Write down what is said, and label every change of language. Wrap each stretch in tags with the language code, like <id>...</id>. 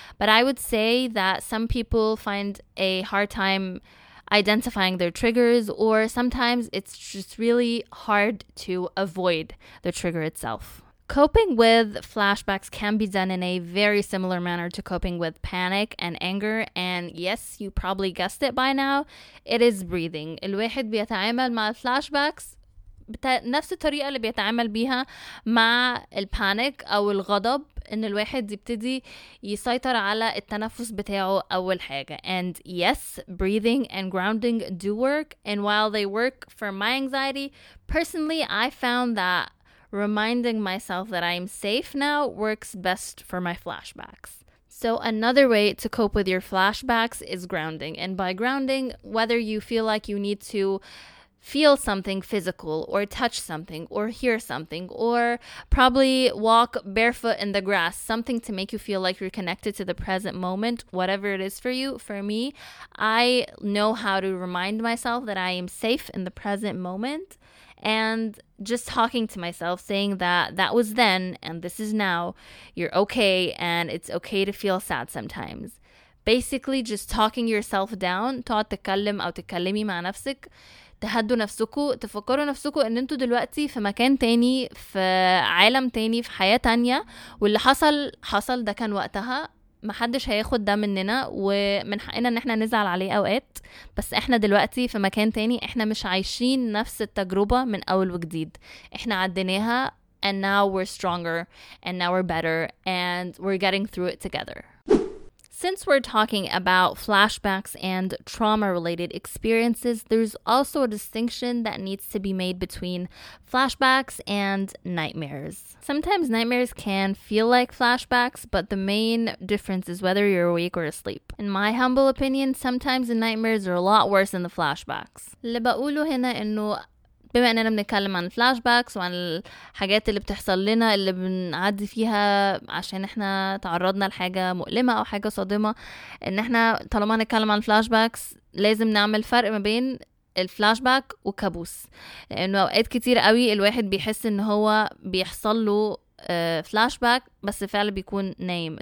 <en>But I would say that some people find a hard time identifying their triggers, or sometimes it's just really hard to avoid the trigger itself. Coping with flashbacks can be done in a very similar manner to coping with panic and anger. And yes, you probably guessed it by now. It is breathing.</en> <ar>الواحد بيتعامل مع flashbacks بنفس الطريقة اللي بيتعامل بيها مع البانيك أو الغضب. إن الواحد يبتدي يسيطر على التنفس بتاعه أول حاجة.</ar> <en>And yes, breathing and grounding do work. And while they work for my anxiety, personally, I found that reminding myself that I'm safe now works best for my flashbacks. So another way to cope with your flashbacks is grounding. And by grounding, whether you feel like you need to feel something physical or touch something or hear something or probably walk barefoot in the grass, something to make you feel like you're connected to the present moment, whatever it is for you. For me, I know how to remind myself that I am safe in the present moment. And just talking to myself, saying that that was then and this is now, you're okay and it's okay to feel sad sometimes. Basically, just talking yourself down,</en> <ar>تقعد تكلم أو تكلمي مع نفسك, تهدوا نفسكوا, تفكروا نفسكوا أن أنتوا دلوقتي في مكان تاني, في عالم تاني, في حياة تانية, واللي حصل حصل, ده كان وقتها, ما حدش هياخد ده مننا ومن حقنا ان احنا نزعل عليه اوقات, بس احنا دلوقتي في مكان تاني, احنا مش عايشين نفس التجربة من اول وجديد, احنا عديناها</ar> <en>and now we're stronger and now we're better and we're getting through it together. Since we're talking about flashbacks and trauma-related experiences, there's also a distinction that needs to be made between flashbacks and nightmares. Sometimes nightmares can feel like flashbacks, but the main difference is whether you're awake or asleep. In my humble opinion, sometimes the nightmares are a lot worse than the flashbacks.</en> <ar>اللي بقوله هنا إنه بما أننا بنتكلم عن flashbacks وعن الحاجات اللي بتحصل لنا اللي بنعدي فيها عشان احنا تعرضنا لحاجة مؤلمة أو حاجة صادمة, ان احنا طالما نتكلم عن flashbacks لازم نعمل فرق ما بين الflashback وكابوس, لأنه أوقات كتير قوي الواحد بيحس ان هو بيحصل له flashback بس فعلا بيكون نايم.</ar>